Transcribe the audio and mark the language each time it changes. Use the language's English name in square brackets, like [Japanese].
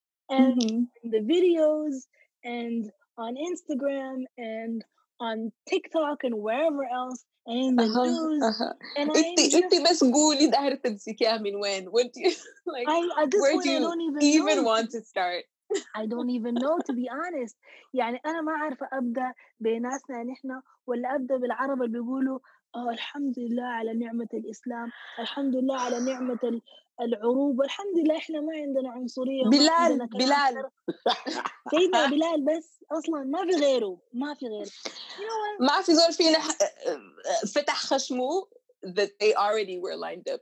[English] And the videos and on Instagram and on TikTok and wherever else. And in the news. Uh-huh. And I'm just... I don't even Know. Want to start? I don't even know, to be honest. [Arabic] يعني أنا ما عارفة أبدأ بيناسنا نحنا ولا أبدأ بالعرب اللي بيقولوا الحمد لله على نعمة الإسلام, الحمد لله على نعمة العروبة, الحمد لله إحنا ما عندنا عنصرية. بلال عندنا بلال سيدنا بلال بس أصلاً ما في غيره, ما في غيره, ما في زول فينا فتح خشمه [English] that they already were lined up.